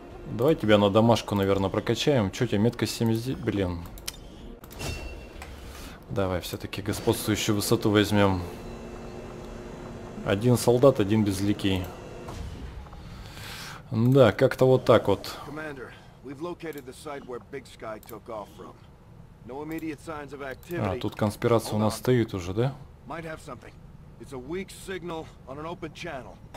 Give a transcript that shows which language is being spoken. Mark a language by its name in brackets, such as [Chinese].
[Russian] Давай тебя на домашку, наверное, прокачаем. Чё у тебя, меткость 70? Блин. Давай, все-таки господствующую высоту возьмем. Один солдат, один безликий. Да, как-то вот так вот. [English] We've located the site where Big Sky took off from. No immediate signs of activity. [Russian] А, тут конспирация у нас стоит уже, да? [English] Might have something. It's a weak signal on an open channel.